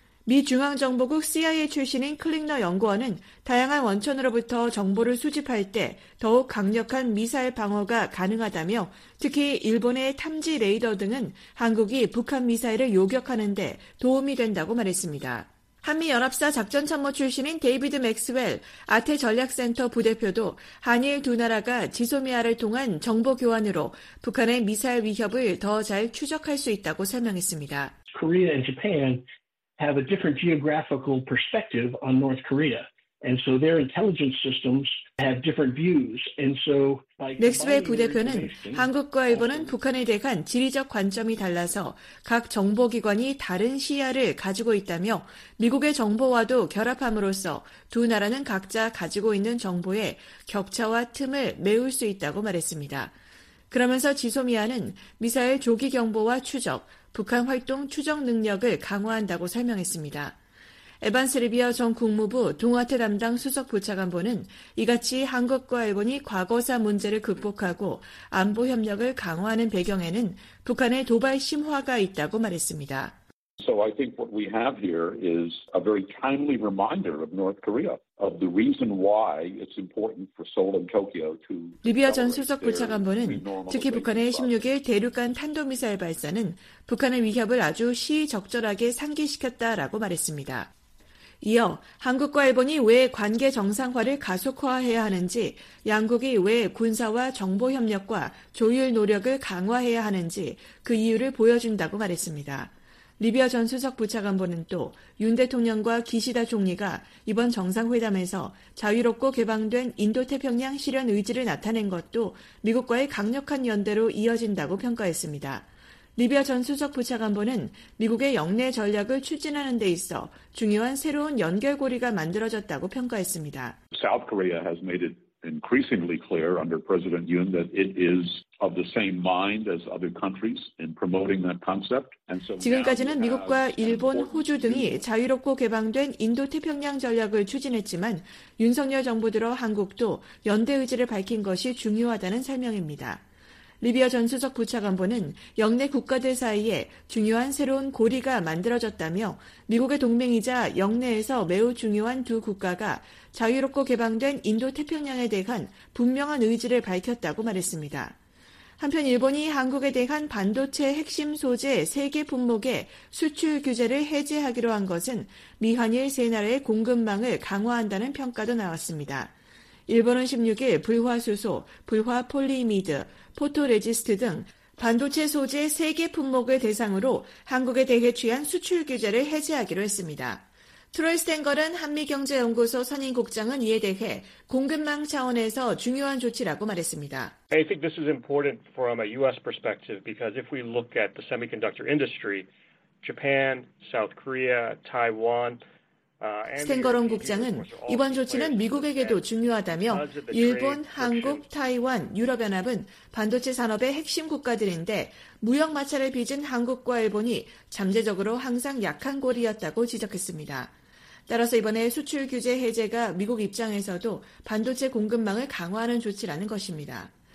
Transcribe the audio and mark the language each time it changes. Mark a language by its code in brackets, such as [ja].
[ko] 미 중앙정보국 CIA 출신인 클릭너 연구원은 다양한 원천으로부터 정보를 수집할 때 더욱 강력한 미사일 방어가 가능하다며 특히 일본의 탐지 레이더 등은 한국이 북한 미사일을 요격하는 데 도움이 된다고 말했습니다. 한미연합사 작전참모 출신인 데이비드 맥스웰 아태전략센터 부대표도 한일 두 나라가 지소미아를 통한 정보 교환으로 북한의 미사일 위협을 더 잘 추적할 수 있다고 설명했습니다. [en] Korea and Japan have a different geographical perspective on North Korea. And so their intelligence systems have different views. And so, [ko] 맥스웰 부대표는 한국과 일본은 북한에 대한 지리적 관점이 달라서 각 정보기관이 다른 시야를 가지고 있다며 미국의 정보와도 결합함으로써 두 나라는 각자 가지고 있는 정보의 격차와 틈을 메울 수 있다고 말했습니다. 그러면서 지소미아는 미사일 조기 경보와 추적, 북한 활동 추적 능력을 강화한다고 설명했습니다. 에반스 리비어 전 국무부 동아태 담당 수석부차관보는 이같이 한국과 일본이 과거사 문제를 극복하고 안보 협력을 강화하는 배경에는 북한의 도발 심화가 있다고 말했습니다. [en] So I think what we have here is a very timely reminder of North Korea of the reason why it's important for Seoul and Tokyo to [ko] 리비아 전 수석 부차관보는 특히 북한의 16일 대륙간 탄도미사일 발사는 북한의 위협을 아주 시의적절하게 상기시켰다라고 말했습니다. 이어 한국과 일본이 왜 관계 정상화를 가속화해야 하는지, 양국이 왜 군사와 정보 협력과 조율 노력을 강화해야 하는지 그 이유를 보여준다고 말했습니다. 리비아 전 수석 부차관보는 또 윤 대통령과 기시다 총리가 이번 정상회담에서 자유롭고 개방된 인도태평양 실현 의지를 나타낸 것도 미국과의 강력한 연대로 이어진다고 평가했습니다. 리비아 전 수석 부차관보는 미국의 역내 전략을 추진하는 데 있어 중요한 새로운 연결고리가 만들어졌다고 평가했습니다. [en] South Korea has made it increasingly clear under President Yoon that it is of the same mind as other countries in promoting that concept. And so [ko] 지금까지는 미국과 일본, 호주 등이 자유롭고 개방된 인도태평양 전략을 추진했지만 윤석열 정부 들어 한국도 연대 의지를 밝힌 것이 중요하다는 설명입니다. 리비아 전 수석 부차관보는 역내 국가들 사이에 중요한 새로운 고리가 만들어졌다며 미국의 동맹이자 역내에서 매우 중요한 두 국가가 자유롭고 개방된 인도태평양에 대한 분명한 의지를 밝혔다고 말했습니다. 한편 일본이 한국에 대한 반도체 핵심 소재 3개 품목의 수출 규제를 해제하기로 한 것은 미한일 세 나라의 공급망을 강화한다는 평가도 나왔습니다. 일본은 16일 불화수소, 불화폴리미드, 포토레지스트 등 반도체 소재 3개 품목을 대상으로 한국에 대해 취한 수출 규제를 해제하기로 했습니다. 트로이 스탱걸은 한미경제연구소 선임국장은 이에 대해 공급망 차원에서 중요한 조치라고 말했습니다. [en] I think this is important from a U.S. perspective because if we look at the semiconductor industry, Japan, South Korea, Taiwan, [ko] 스탱거론 국장은 이번 조치는 미국에게도 중요하다며 일본, 한국, 타이완, 유럽연합은 반도체 산업의 핵심 국가들인데 무역 마찰을 빚은 한국과 일본이 잠재적으로 항상 약한 고리였다고 지적했습니다. 따라서 이번에 수출 규제 해제가 미국 입장에서도 반도체 공급망을 강화하는 조치라는 것입니다.